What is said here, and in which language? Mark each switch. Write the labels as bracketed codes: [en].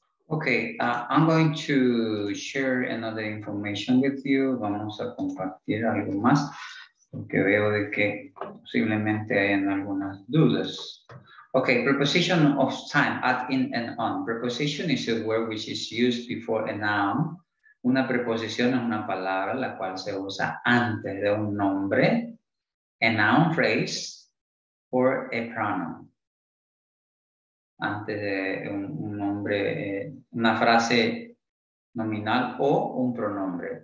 [en] Okay, I'm going to share another information with you. [es] Vamos a compartir algo más, porque veo de que posiblemente hayan algunas dudas. [en] Okay, preposition of time, at, in, and on. Preposition is a word which is used before a noun. [es] Una preposición es una palabra la cual se usa antes de un nombre, [en] a noun phrase, or a pronoun. [es] Antes de un nombre, una frase nominal o un pronombre.